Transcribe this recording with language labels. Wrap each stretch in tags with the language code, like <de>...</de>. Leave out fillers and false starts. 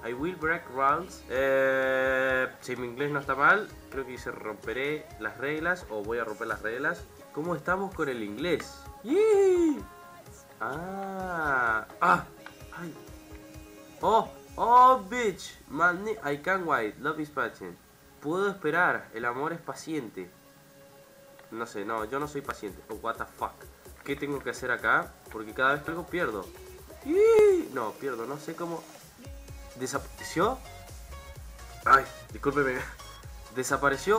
<en>I will break rules.</en> <es>Si mi inglés no está mal, creo que dice romperé las reglas o voy a romper las reglas. ¿Cómo estamos con el inglés? ¡Yee! ¡Ay!</es> <en>Bitch, man, I can't wait, love is patient.</en> <es>Puedo esperar, el amor es paciente. No sé, no, yo no soy paciente.</es> <en>Oh, what the fuck.</en> <es>¿Qué tengo que hacer acá? Porque cada vez que algo pierdo. No, pierdo, no sé cómo. ¿Desapareció? Ay, discúlpeme. ¿Desapareció?</es>